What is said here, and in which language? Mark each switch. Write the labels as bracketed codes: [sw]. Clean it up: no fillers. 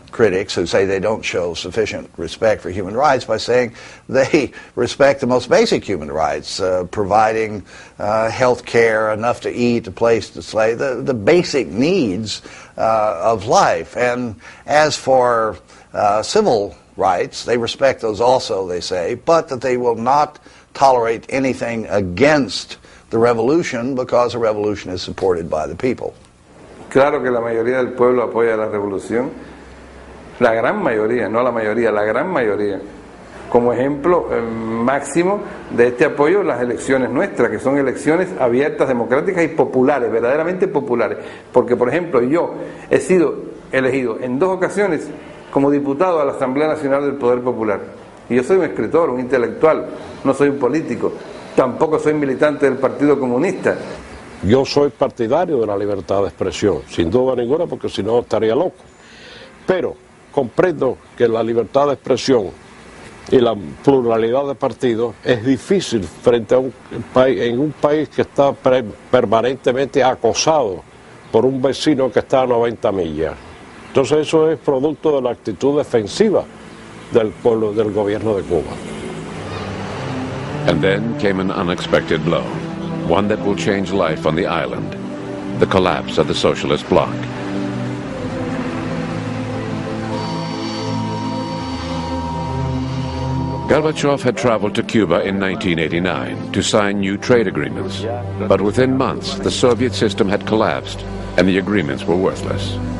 [en] critics who say they don't show sufficient respect for human rights by saying they respect the most basic human rights, providing health care, enough to eat, a place to stay, the basic needs of life. And as for civil rights, they respect those also, they say, but that they will not tolerate anything against the revolution because a revolution is supported by the people. [es] Claro que la mayoría del pueblo apoya la revolución. La gran mayoría, no la mayoría, la gran mayoría. Como ejemplo máximo de este apoyo, las elecciones nuestras, que son elecciones abiertas, democráticas y populares, verdaderamente populares. Porque, por ejemplo, yo he sido elegido en dos ocasiones como diputado a la Asamblea Nacional del Poder Popular. Y yo soy un escritor, un intelectual, no soy un político. Tampoco soy militante del Partido Comunista. Yo soy partidario de la libertad de expresión, sin duda ninguna, porque si no estaría loco. Pero comprendo que la libertad de expresión y la pluralidad de partidos es difícil frente a un país, en un país que está permanentemente acosado por un vecino que está a 90 millas. Entonces eso es producto de la actitud defensiva del pueblo, del gobierno de Cuba. [en] And then came an unexpected blow, one that will change life on the island, the collapse of the socialist bloc. Gorbachev had traveled to Cuba in 1989 to sign new trade agreements, but within months the Soviet system had collapsed and the agreements were worthless.